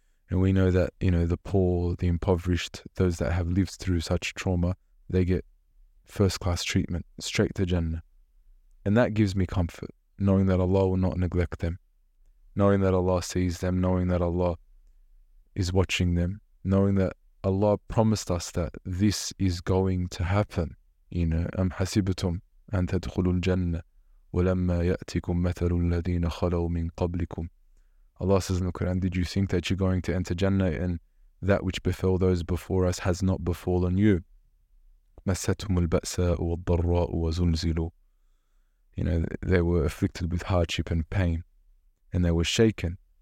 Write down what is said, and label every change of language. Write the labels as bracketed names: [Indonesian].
[English] And we know that, you know, the poor, the impoverished, those that have lived through such trauma, they get first class treatment straight to Jannah. And that gives me comfort, knowing that Allah will not neglect them, knowing that Allah sees them, knowing that Allah is watching them, knowing that Allah promised us that this is going to happen. You know, [Arabic] أَمْ حَسِبْتُمْ أَن تَدْخُلُوا الْجَنَّةِ وَلَمَّا يَأْتِكُمْ مَثَلُ الَّذِينَ خَلَوْا مِن قَبْلِكُمْ. [English] Allah says in the Quran, did you think that you're going to enter Jannah and that which befell those before us has not befallen you? [Arabic] مَسَّتُمُ الْبَأْسَاءُ وَالضَّرَّاءُ وَزُلْزِلُوا. [English] You know, they were afflicted with hardship and pain, and they were shaken.